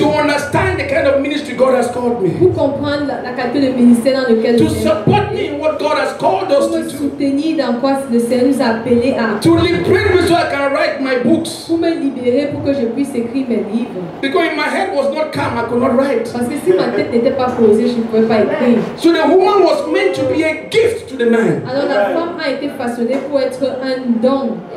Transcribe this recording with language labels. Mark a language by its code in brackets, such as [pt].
[en] To understand the kind of ministry God has called me. [fr] Pour comprendre la qualité de ministère dans lequel [en] to support me in what God has called us to do. [fr] Pour me soutenir dans quoi le Seigneur nous a appelé à. [en] To liberate me so I can write my books. [fr] Pour me libérer pour que je puisse écrire mes livres. [en] Because if my head was not calm, I could not write. [fr] Parce que si ma tête n'était pas posée, je ne pouvais pas écrire. [en] So the woman was meant to be a gift to the man. [fr] Alors la femme a été façonnée pour être un don.